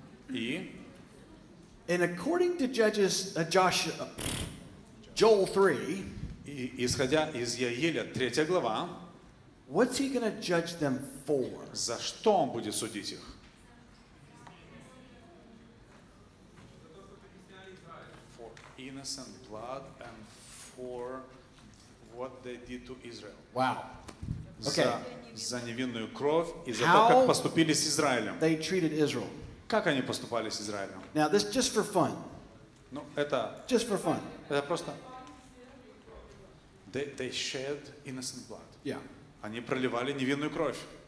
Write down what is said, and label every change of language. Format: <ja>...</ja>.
<ru>И.</ru> <en>And according to Judges, Joel 3.</en> <ru>И, исходя из Иоэля, 3 глава.</ru> <en>What's he going to judge them for?</en> <ru>За что он будет судить их?</ru> <en>For innocent blood and for what they did to Israel. Wow. Okay.</en> <ru>За невинную кровь и за то, как поступили с Израилем.</ru> <en>They treated Israel.</en> <ru>Как они поступали с Израилем?</ru> <en>Now this just for fun.</en> <ru>Ну, это</ru> <en>just for fun.</en> <ru>Это просто.</ru> <en>They shed innocent blood. Yeah.</en> <ru>Они проливали невинную кровь.</ru>